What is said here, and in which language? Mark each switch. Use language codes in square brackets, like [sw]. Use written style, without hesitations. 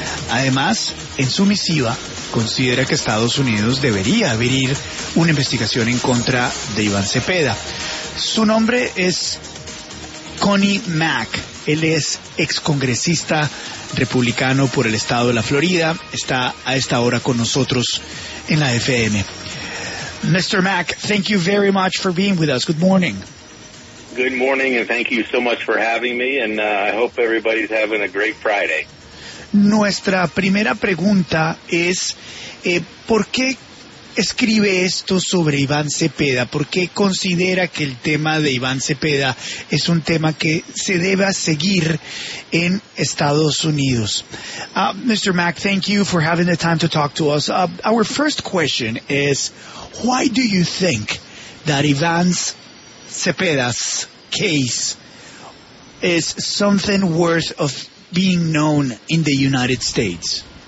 [es] Además, en su misiva, considera que Estados Unidos debería abrir una investigación en contra de Iván Cepeda. Su nombre es Connie Mack. Él es excongresista republicano por el estado de la Florida. Está a esta hora con nosotros en la FM. [en] Mr. Mack, thank you very much for being with us. Good morning. Good morning, and thank you so much for having me, and I hope everybody's having a great Friday. [es] Nuestra primera pregunta es, ¿por qué escribe esto sobre Iván Cepeda? ¿Por qué considera que el tema de Iván Cepeda es un tema que se debe seguir en Estados Unidos? [en] Mr. Mack, thank you for having the time to talk to us. Our first question is, why do you think that Iván Cepeda's case is something worth of being known in the United States?